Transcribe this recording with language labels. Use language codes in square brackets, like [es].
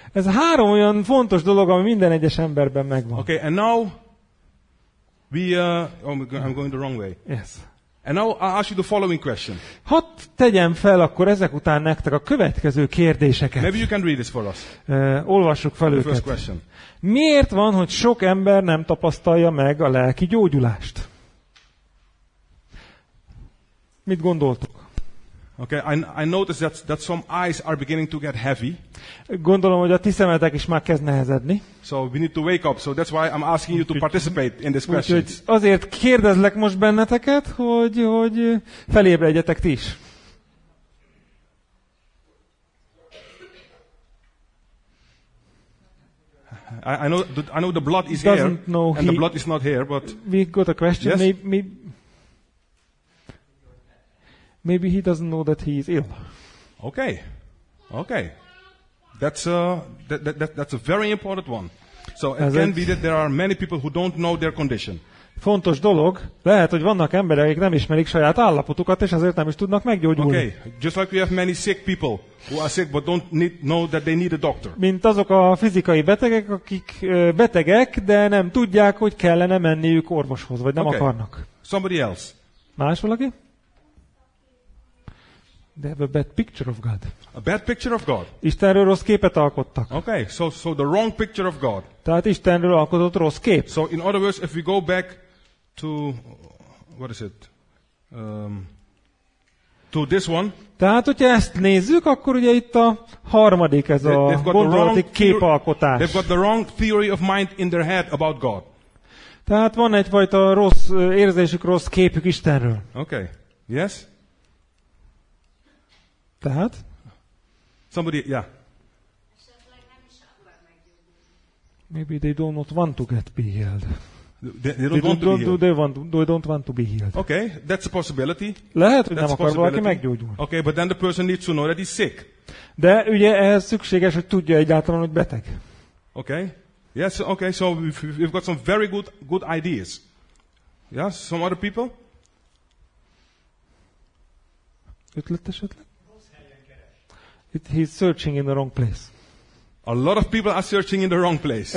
[hu] Ez három olyan fontos dolog, ami minden egyes emberben megvan. [en] Okay, and now I'm going the wrong way. Yes. And now I ask you the following question. [hu] Hadd tegyem fel akkor ezek után nektek a következő kérdéseket. [en] Maybe you can read this for us. [hu] Olvassuk fel őket. [en] First question. [hu] Miért van, hogy sok ember nem tapasztalja meg a lelki gyógyulást? Mit gondoltok? [en] Okay, I noticed that some eyes are beginning to get heavy. [hu] Gondolom, hogy a ti szemetek is már kezd nehezedni. [en] So we need to wake up. So that's why I'm asking you to participate in this question. [hu] Azért kérdezlek most benneteket, hogy felébredjetek ti is. [en] I know the blood is here, and the blood is not here, but we got a question. Yes? Maybe he doesn't know that he is ill. Okay. Okay. That's a very important one. So it can be that there are many people who don't know their condition. [hu] Fontos dolog, lehet, hogy vannak emberek, akik nem ismerik saját állapotukat, és ezért nem is tudnak meggyógyulni. [en] Okay, just like we have many sick people who are sick but don't know that they need a doctor. [hu] Mint azok a fizikai betegek, akik betegek, de nem tudják, hogy kellene menniük orvoshoz, vagy nem [en] okay. [hu] akarnak. [en] Somebody else. [hu] Más valaki? [en] They have a bad picture of God. A bad picture of God. [hu] Istenről rossz képet alkottak. [en] Okay, so the wrong picture of God. [hu] Tehát Istenről alkotott rossz kép. [en] So in other words, if we go back to what is it? To this one. [hu] Tehát hogyha ezt nézzük, akkor ugye itt a harmadik ez a gondolati képalkotás. [en] They've got the wrong theory of mind in their head about God. [hu] Tehát van egyfajta rossz érzésük, rossz képük Istenről. [en] Okay. Yes. [hu] Tehát? [en] Somebody, yeah. Maybe they do not want to get be healed. They don't want to be healed. Okay, that's a possibility. [hu] Lehet, hogy nem akar valaki meggyógyulni. [en] Okay, but then the person needs to know that he's sick. [hu] De ugye ehhez szükséges, hogy tudja egyáltalán, hogy beteg. [en] Okay. Yes, okay, so we've got some very good ideas. Yes, some other people? [hu] Ötlet esetleg? [en] He's searching in the wrong place. A lot of people are searching in the wrong place.